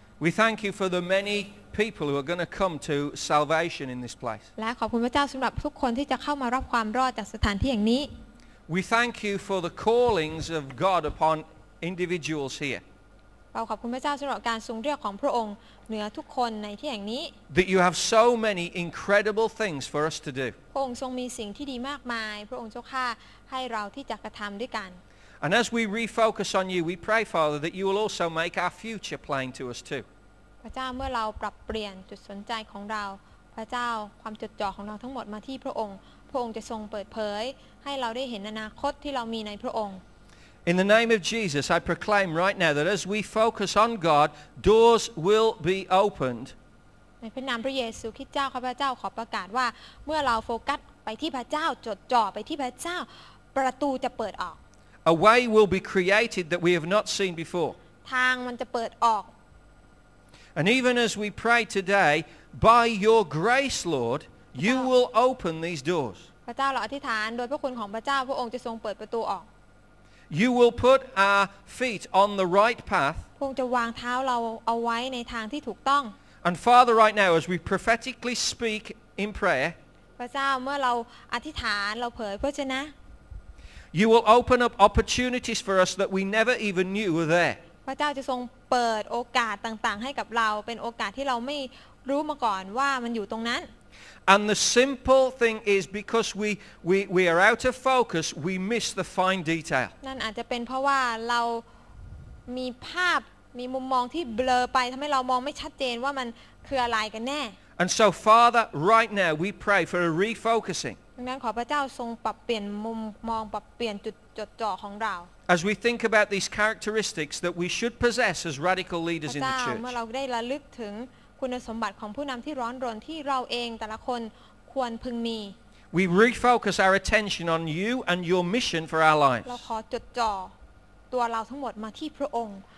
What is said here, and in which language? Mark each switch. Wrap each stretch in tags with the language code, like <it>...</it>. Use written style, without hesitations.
<en>We thank you for the many people who are going to come to salvation in this place.</en> <th>และขอบคุณพระเจ้าสำหรับทุกคนที่จะเข้ามารับความรอดจากสถานที่แห่งนี้</th> <en>We thank you for the callings of God upon individuals here.</en> <th>เราขอบคุณพระเจ้าสำหรับการทรงเรียกของพระองค์เหนือทุกคนในที่แห่งนี้</th> <en>That you have so many incredible things for us to do.</en> <th>พระองค์ทรงมีสิ่งที่ดีมากมายพระองค์เจ้าค่ะให้เราที่จะกระทำด้วยกัน</th> <en>And as we refocus on you, we pray, Father, that you will also make our future plain to us too.</en> <th>พระเจ้าเมื่อเราปรับเปลี่ยนจุดสนใจของเราพระเจ้าความจดจ่อของเราทั้งหมดมาที่พระองค์พระองค์จะทรงเปิดเผยให้เราได้เห็นอนาคตที่เรามีในพระองค์</th> <en>In the name of Jesus, I proclaim right now that as we focus on God, doors will be opened.</en> <th>ในพระนามพระเยซูคริสต์เจ้าข้าพเจ้าขอประกาศว่าเมื่อเราโฟกัสไปที่พระเจ้าจดจ่อไปที่พระเจ้าประตูจะเปิดออก</th> <en>A way will be created that we have not seen before.</en> <th>ทางมันจะเปิดออก</th> <en>And even as we pray today, by your grace, Lord, you will open these doors.</en> <th>พระเจ้าเราอธิษฐานโดยพระคุณของพระเจ้าพระองค์จะทรงเปิดประตูออก</th> <en>You will put our feet on the right path.</en> <th>พระองค์จะวางเท้าเราเอาไว้ในทางที่ถูกต้อง</th> <en>And Father, right now, as we prophetically speak in prayer.</en> <th>พระเจ้าเมื่อเราอธิษฐานเราเผยพระชนะ</th> <en>You will open up opportunities for us that we never even knew were there.</en> <th>พระเจ้าจะทรงเปิดโอกาสต่างๆให้กับเราเป็นโอกาสที่เราไม่รู้มาก่อนว่ามันอยู่ตรงนั้น</th> <en>And the simple thing is because we are out of focus, we miss the fine detail.</en> <th>นั่นอาจจะเป็นเพราะว่าเรามีภาพมีมุมมองที่เบลอไปทำให้เรามองไม่ชัดเจนว่ามันคืออะไรกันแน่</th> <en>And so Father, right now we pray for a refocusing.</en> <th>ดังนั้นขอพระเจ้าทรงปรับเปลี่ยนมุมมองปรับเปลี่ยนจุดจดจ่อของเรา</th> <en>As we think about these characteristics that we should possess as radical leaders in the church.</en> <th>เมื่อเราได้ระลึกถึงคุณสมบัติของผู้นำที่ร้อนรนที่เราเองแต่ละคนควรพึงมี</th> <en>We refocus our attention on you and your mission for our lives.</en> <th>เราขอจดจ่อตัวเราทั้งหมดมาที่พระองค์</th>